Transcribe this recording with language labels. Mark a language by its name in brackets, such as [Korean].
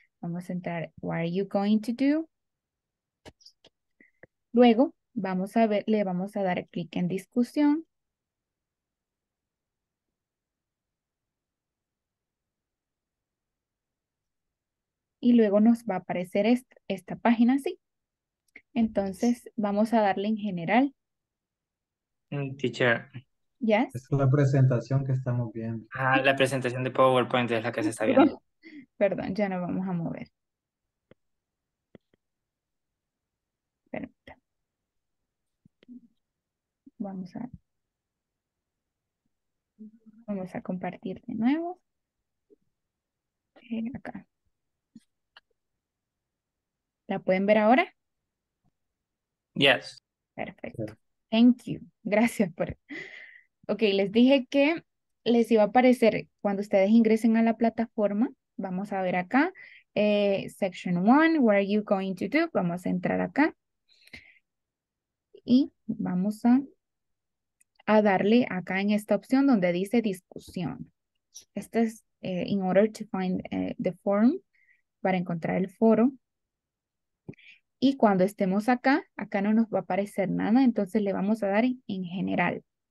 [Spanish] Vamos a entrar, [English] what are you going to do? [Spanish] Luego, vamos a ver, le vamos a dar clic en discusión. Y luego nos va a aparecer esta página así. Entonces, vamos a darle en general. [English] Teacher. Yes. [Spanish] Es la presentación que estamos viendo. Ah, la presentación de PowerPoint es la que se está viendo. Perdón, ya no vamos a mover. Permítame. Vamos a compartir de nuevo. Acá. ¿La pueden ver ahora? [English] Yes. [Spanish] Perfecto. [English] Thank you. [Spanish] Gracias por. Ok, les dije que les iba a aparecer cuando ustedes ingresen a la plataforma. Vamos a ver acá, [English] section one, what are you going to do? [Spanish] Vamos a entrar acá y vamos a darle acá en esta opción donde dice discusión. Esto es [English] in order to find the forum, [Spanish] para encontrar el foro. Y cuando estemos acá, acá no nos va a aparecer nada, entonces le vamos a dar en general.